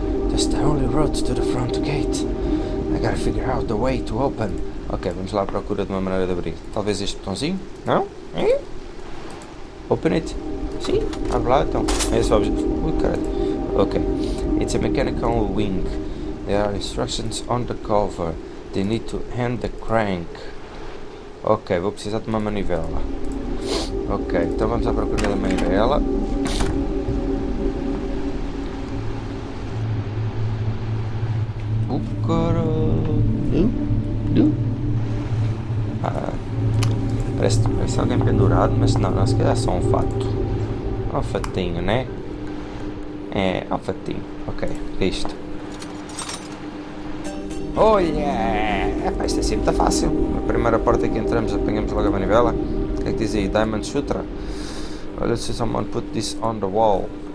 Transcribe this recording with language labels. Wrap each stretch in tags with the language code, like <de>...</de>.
<en>That's the only road to the front gate. I gotta figure out the way to open.</en> <pt>Ok, vamos lá à procura de uma maneira de abrir. Talvez este botãozinho? Não? É?</pt> <en>Open it.</en> <pt>Sim, abre lá então. É esse o objeto. Ui, caralho. Ok.</pt> <en>It's a mechanical wing. There are instructions on the cover. They need to hand the crank. Ok,</en> <pt>vou precisar de uma manivela. Ok, então vamos à procura da manivela. O coro. Parece alguém pendurado, mas não se calhar é só um fato. Um fatinho, né? É, um fatinho. Ok, isto. Olha! Yeah. Isto é sempre tão fácil. A primeira porta que entramos, apanhamos logo a manivela. O que é que diz aí? Diamond Sutra.</pt> <en>Well, let's see someone put this on the wall.</en>